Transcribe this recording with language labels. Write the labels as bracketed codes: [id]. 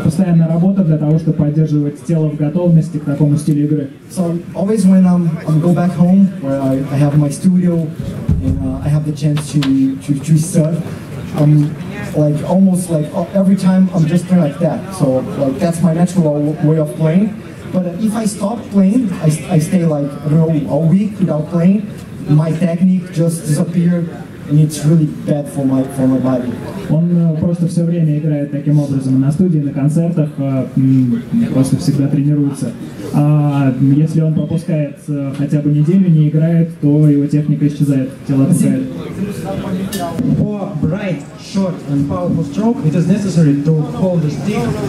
[ru] Постоянная работа для того, чтобы поддерживать тело в готовности к такому стилю игры. [en] So always when I'm go back home, where I have my studio, and I have the chance to start, I'm like almost like every time I'm just playing like that. So like that's my natural way of playing. But if I stop playing, I stay like a week without playing, my technique just disappears. And it's really bad for my body. [ru] Он просто все время играет таким образом на студии, на концертах, просто всегда тренируется. А если он пропускает хотя бы неделю, не играет, то его техника исчезает, тело отпускает. [en] For bright, short and powerful stroke, it is necessary to hold the stick.